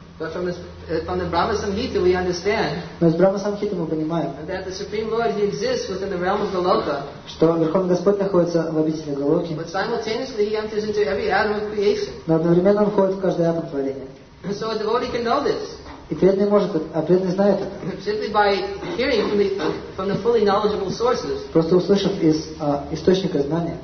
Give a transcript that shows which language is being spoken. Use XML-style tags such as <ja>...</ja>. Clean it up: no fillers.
<en>But from the Brahma Samhita we understand that the Supreme Lord He exists within the realm of Goloka.</en> <ru>Что Верховный Господь находится в обители Голоки.</ru> <en>But simultaneously He enters into every atom of creation.</en> <ru>Но одновременно Он входит в каждый атом творения.</ru> <en>And so a devotee can know this.</en> <ru>И преданный может, а преданный знает это.</ru> <en>Simply by hearing from the fully knowledgeable sources.</en> <ru>Просто услышав из источника знания.</ru>